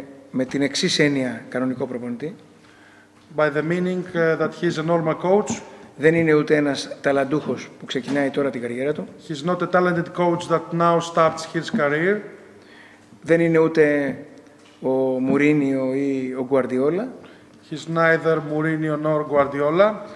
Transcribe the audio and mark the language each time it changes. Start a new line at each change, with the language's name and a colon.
Greek: Με την εξής έννοια κανονικό προπονητή.
English: By the meaning that he is a normal coach.
Greek: Δεν είναι ούτε ένας ταλαντούχος που ξεκινάει τώρα την καριέρα του.
English: He's not a talented coach that now starts his career.
Greek: Δεν είναι ούτε ο Μουρίνιο ή ο Γκουαρδιόλα.
English: He's neither Mourinho nor Guardiola.